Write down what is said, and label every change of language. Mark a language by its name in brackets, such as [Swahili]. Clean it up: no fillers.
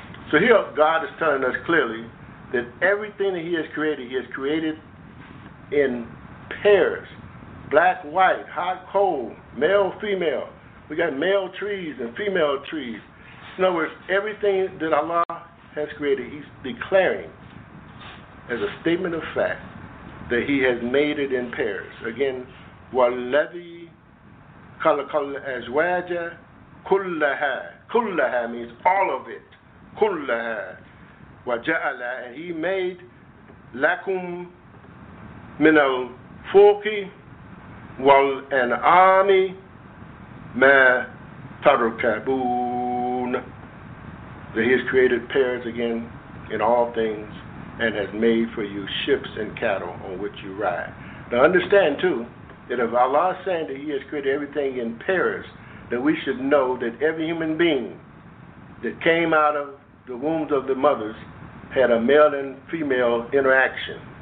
[English] So here God is telling us clearly that everything that he has created in pairs, black, white, hot, cold, male, female. We got male trees and female trees. In other words, everything that Allah has created, he's declaring as a statement of fact that he has made it in pairs. Again, [Arabic] وَالَّذِي خَلَقَ الْأَزْوَاجَ كُلَّهَا. كُلَّهَا [English] means all of it. [Arabic] كُلَّهَا وَجَعَلَ. [English] And he made [Arabic] لَكُم مِنَ الْفُلْكِ وَالْأَنْعَامِ مَا تَرْكَبُونَ. [English] That he has created pairs again in all things and has made for you ships and cattle on which you ride. Now understand too that if Allah is saying that he has created everything in pairs, that we should know that every human being that came out of the wombs of the mothers had a male and female interaction.